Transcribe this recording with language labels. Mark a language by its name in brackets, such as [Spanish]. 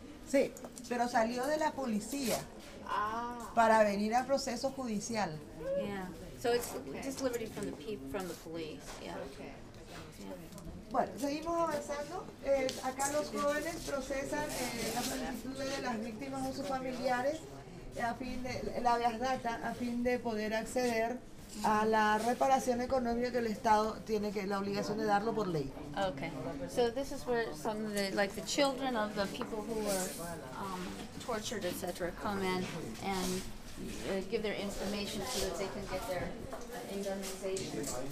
[Spanish] Sí, pero salió de la policía para venir a proceso judicial. [English] Yeah, so it's just liberty from the police. Yeah. [Spanish] Bueno, seguimos avanzando. Acá los jóvenes procesan las solicitudes de las víctimas o sus familiares a fin de la habeas data, a fin de poder acceder a la reparación económica que el Estado tiene que la obligación de darlo por ley. [English] Okay, so this is where some of the, like the children of the people who were tortured, etc., come in and give their information so that they can get their indemnization.